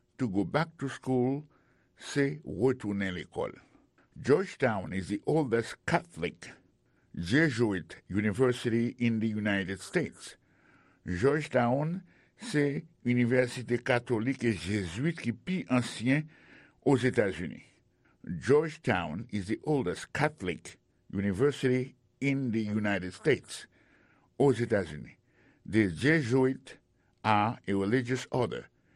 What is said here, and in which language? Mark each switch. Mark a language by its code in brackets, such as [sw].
[en] To go back to school, [fr] c'est retourner l'école. [en] Georgetown is the oldest Catholic Jesuit university in the United States. [fr] Georgetown, c'est université catholique et jésuite qui pi ancien aux États-Unis. [en] Georgetown is the oldest Catholic university in the United States, [fr] aux États-Unis. [en] The Jesuits are a religious order.